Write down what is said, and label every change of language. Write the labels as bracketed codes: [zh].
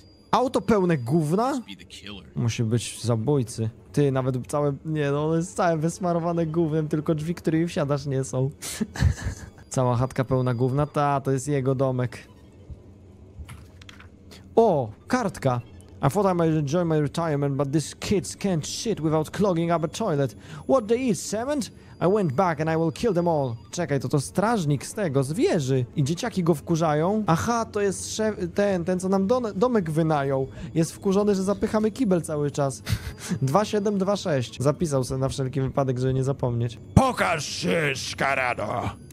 [pl] Auto pełne gówna? Musi być zabójcy. Ty, nawet całe, nie no, on jest całe wysmarowane gównem, tylko drzwi, którymi wsiadasz, nie są. Cała chatka pełna gówna, ta, to jest jego domek. O, kartka. [en] I thought I might enjoy my retirement, but these kids can't shit without clogging up a toilet. What they eat, cement? I went back and I will kill them all. [pl] Czekaj, to strażnik z tego, z wieży. I dzieciaki go wkurzają. Aha, to jest szef, ten co nam domek wynajął. Jest wkurzony, że zapychamy kibel cały czas. 2726. Zapisał sobie na wszelki wypadek, żeby nie zapomnieć. Pokaż się, szkarado.